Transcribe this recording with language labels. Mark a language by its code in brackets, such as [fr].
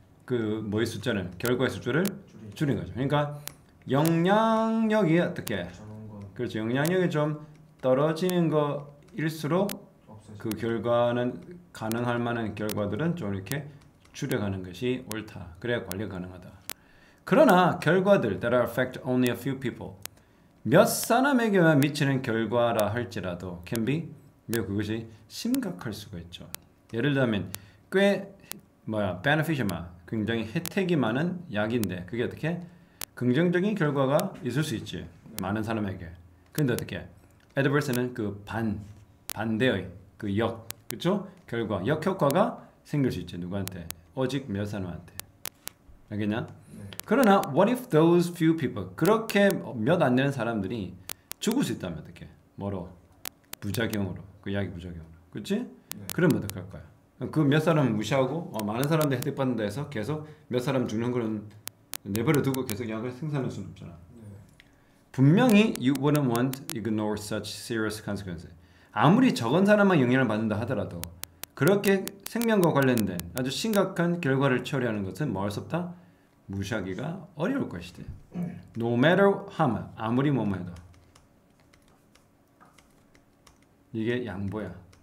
[ko] 그 뭐의 숫자는 결과의 숫자를 줄인 거죠. 그러니까 영향력이 어떻게? 그렇죠. 영향력이 좀 떨어지는 것일수록 그 결과는 가능할 만한 결과들은 좀 이렇게 줄여가는 것이 옳다. 그래야 관리가 가능하다. 그러나 결과들 [en] that are affect only a few people. [ko] 몇 사람에게만 미치는 결과라 할지라도 [en] can be [ko] 매우 그것이 심각할 수가 있죠. 예를 들면 꽤 뭐야 beneficial 굉장히 혜택이 많은 약인데 그게 어떻게 긍정적인 결과가 있을 수 있지 많은 사람에게. 근데 어떻게 adverse는 그 반대의 그 역, 그렇죠? 결과 역효과가 생길 수 있지 누구한테 오직 몇 사람한테 알겠냐? 그러나 [en] what if those few people [ko] 그렇게 몇안 되는 사람들이 죽을 수 있다면 어떡해? 뭐로? 부작용으로 그 약이 부작용으로 그치? 그러면 어떡할 거야? 그몇 사람 무시하고 많은 사람들 혜택 받는다 해서 계속 몇 사람 죽는 그런 내버려 두고 계속 약을 생산할 수는 없잖아. 분명히 [en] you wouldn't want to ignore such serious consequences. [ko] 아무리 적은 사람만 영향을 받는다 하더라도 그렇게 생명과 관련된 아주 심각한 결과를 처리하는 것은 뭐할수 없다? 무시하기가 어려울 것이다. [en] No matter [ko] 하면 아무리 뭐뭐 해도 이게 양보야.